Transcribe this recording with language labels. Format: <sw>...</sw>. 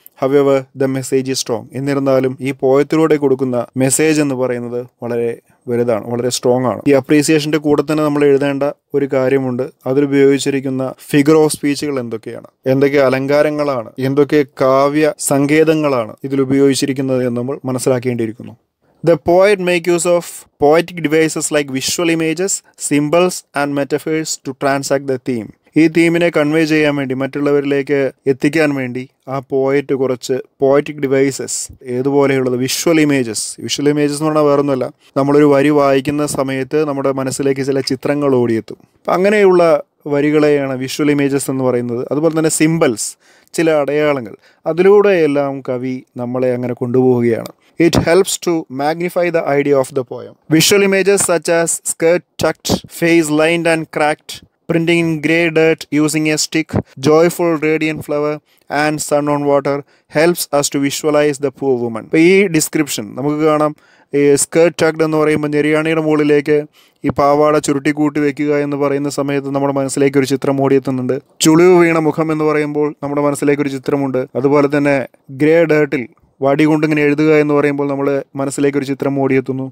<en>However the message is strong.</en> <ml>എന്നിരുന്നാലും ഈ പോയത്തിലൂടെ കൊടുക്കുന്ന മെസ്സേജ് എന്ന് പറയുന്നത് വളരെ വലുതാണ്, വളരെ സ്ട്രോങ് ആണ്. ഈ അപ്രീസിയേഷൻ്റെ കൂടെ തന്നെ നമ്മൾ എഴുതേണ്ട ഒരു കാര്യമുണ്ട്, അതിലുപയോഗിച്ചിരിക്കുന്ന ഫിഗർ ഓഫ് സ്പീച്ചുകൾ എന്തൊക്കെയാണ്, എന്തൊക്കെ അലങ്കാരങ്ങളാണ്, എന്തൊക്കെ കാവ്യ സങ്കേതങ്ങളാണ് ഇതിലുപയോഗിച്ചിരിക്കുന്നത് എന്ന് നമ്മൾ മനസ്സിലാക്കേണ്ടിയിരിക്കുന്നു.</ml> <en>The poet makes use of poetic devices like visual images, symbols and metaphors to transact the theme.</en> <ml>ഈ തീമിനെ കൺവേ ചെയ്യാൻ വേണ്ടി, മറ്റുള്ളവരിലേക്ക് എത്തിക്കാൻ വേണ്ടി ആ പോയറ്റ് കുറച്ച് പോയറ്റിക് ഡിവൈസസ്, ഏതുപോലെയുള്ളത്, വിഷ്വൽ ഇമേജസ് എന്ന് പറഞ്ഞാൽ വേറൊന്നുമല്ല, നമ്മളൊരു വരി വായിക്കുന്ന സമയത്ത് നമ്മുടെ മനസ്സിലേക്ക് ചില ചിത്രങ്ങൾ ഓടിയെത്തും. അപ്പം അങ്ങനെയുള്ള വരികളെയാണ് വിഷ്വൽ ഇമേജസ് എന്ന് പറയുന്നത്. അതുപോലെ തന്നെ സിമ്പിൾസ്, ചില അടയാളങ്ങൾ, അതിലൂടെയെല്ലാം കവി നമ്മളെ അങ്ങനെ കൊണ്ടുപോവുകയാണ്.</ml> <en>It helps to magnify the idea of the poem. Visual images such as skirt tucked, face lined and cracked, printing in grey dirt using a stick, joyful radiant flower and sun on water helps us to visualize the poor woman.</en> <ml>ഈ description നമുക്ക് കാണാം. ഈ skirt tucked എന്ന് പറയുമ്പോൾ ഞെരിയാണിയുടെ മുകളിലേക്ക് ഈ പാവാട ചുരുട്ടിക്കൂട്ടി വെക്കുക എന്ന് പറയുന്ന സമയത്ത് നമ്മുടെ മനസ്സിലേക്ക് ഒരു ചിത്രം ഓടിയെത്തുന്നുണ്ട്. ചുളിവ് വീണ മുഖം എന്ന് പറയുമ്പോൾ നമ്മുടെ മനസ്സിലേക്ക് ഒരു ചിത്രമുണ്ട്. അതുപോലെ തന്നെ ഗ്രേ ഡേർട്ടിൽ വടി കൊണ്ടിങ്ങനെ എഴുതുക എന്ന് പറയുമ്പോൾ നമ്മൾ മനസ്സിലേക്ക് ഒരു ചിത്രം ഓടിയെത്തുന്നു.</ml>